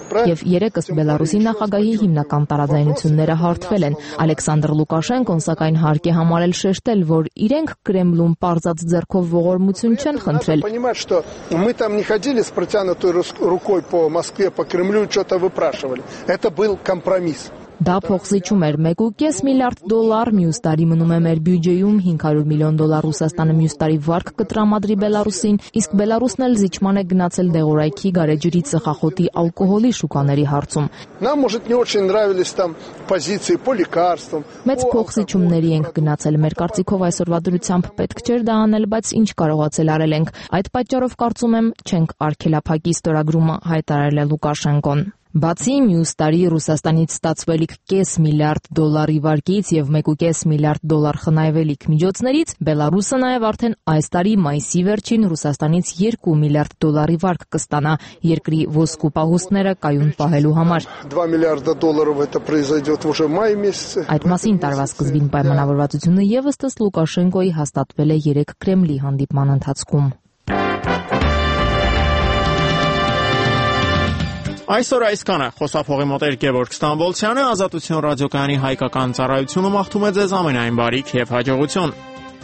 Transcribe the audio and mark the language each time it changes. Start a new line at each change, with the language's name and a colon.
Armenian: Եվ երեքս Բելարուսի նախագահի հիմնական տարաձայնությունները հարթվել են։ Ալեքսանդր Լուկաշենկոն, սակայն, հարկ է համարել շեշտել, որ իրենք Կրեմլում պարզած ձեռքով ողորմություն չեն խնդրել։ Դա փոխզիջում էր 1.5 միլիարդ դոլար մյուս տարի մնում է մեր բյուջեում, 500 միլիոն դոլար Ռուսաստանը մյուս տարի վարկ կտրամադրի Բելարուսին, իսկ Բելարուսն էլ զիջման է գնացել դեղորայքի, գարեջրի, ծխախոտի, ալկոհոլի շուկաների հարցում։
Russian: Нам может не очень нравились там позиции по лекарствам.
Armenian: Մեծ փոխզիջումների ենք գնացել, մեր կարծիքով այսօրվա դրությամբ պետք չէր դա անել, բայց ինչ կարողացել արել ենք։ Այդ պատճառով կարծում եմ, չենք արգելափակի ստորագրումը, հայտարարել է Լուկաշենկոն։ Բացի մյուս տարի Ռուսաստանից ստացվելիք 5 միլիարդ դոլարի վարկից եւ 1.5 միլիարդ դոլար խնայվելիք միջոցներից, Բելարուսը նաեւ արդեն այս տարի մայիսի վերջին Ռուսաստանից 2 միլիարդ դոլարի վարկ կստանա երկրի ոսկու պահուստները կայուն պահելու համար։
Russian: 2
Armenian: միլիարդ դոլարով
Russian: это произойдёт уже май месяце։
Armenian: Այդ մասին տարվա սկզբին պայմանավորվածությունը եւս ըստ Լուկաշենկոյի հաստատվել է 3 Կրեմլի հանդիպման ընթացքում։ Այսօր այսքանը խոսափողի մոտ էր Գևորգ Ստամբոլցյանը, Ազատություն ռադիոկայանի հայկական ծառայությունը մաղթում է ձեզ ամենայն բարիք և հաջողություն։